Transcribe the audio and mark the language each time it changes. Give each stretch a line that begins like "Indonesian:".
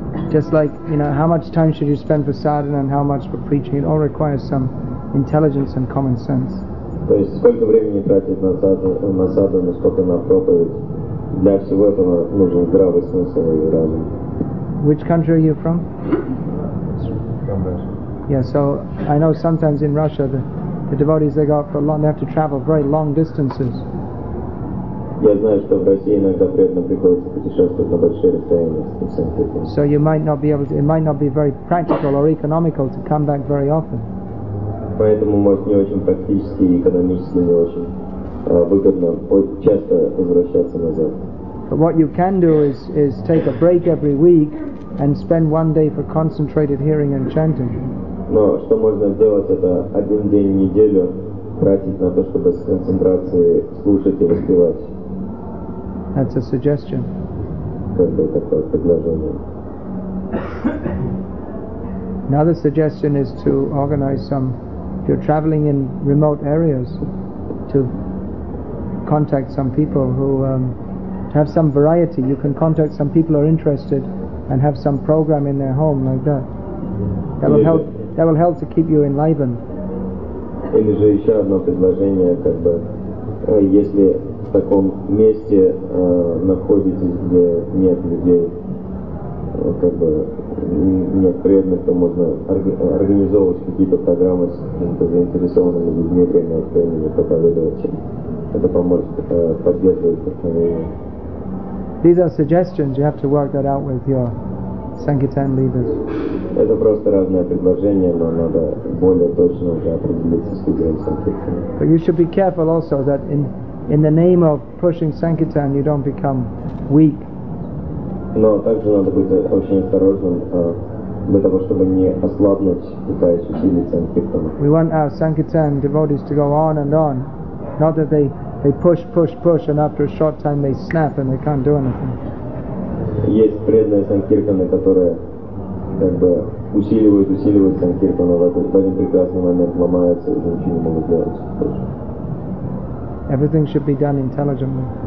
English: Just like, how much time should you spend for sadhana and how much for preaching? It all requires some intelligence and common sense.
Russian: То есть сколько времени тратить на садхану, сколько на проповедь. Для всего этого нужен здравый смысл и разум.
English: Which country are you from? From Russia. Yeah, so I know sometimes in Russia the devotees they go for a long, they have to travel very long distances.
Russian: Я знаю, что в России иногда преданным приходится путешествовать на большие расстояния.
English: So you might not be able to, it might not be very practical or economical to come back very often.
Russian: Поэтому может не очень практически и экономически не очень выгодно часто возвращаться назад.
English: But what you can do is take a break every week and spend one day for concentrated hearing and chanting.
Russian: Но что можно сделать, это один день в неделю тратить на то, чтобы с концентрацией слушать и воспевать.
English: That's a suggestion.
Russian: Такое предложение.
English: Another suggestion is to organize some, if you're traveling in remote areas, to contact some people who have some variety. You can contact some people who are interested and have some program in their home like that. That will help to keep you enlivened.
Russian: Или же еще одно предложение, как бы, если в таком месте находитесь, где нет людей, как бы, нет преданных, то можно организовывать какие-то программы с заинтересованными людьми время от времени, проповедовать им. Это поможет поддерживать постановление.
English: These are suggestions, you have to work that out with your Sankirtan leaders.
Russian: Это просто разные предложения, но надо более точно уже определиться с людьми Sankirtan.
English: But you should be careful also that in the name of pushing Sankirtan you don't become weak.
Russian: Но также надо быть очень осторожным для того, чтобы не ослабнуть, пытаясь усилить Sankirtan.
English: We want our Sankirtan devotees to go on and on, not that they push, push, push, and after a short time they snap and they can't do anything.
Russian: Есть преданные Sankirtan, которые как бы усиливают Sankirtan, но в один прекрасный момент ломаются и ничего не могут делать.
English: Everything should be done intelligently.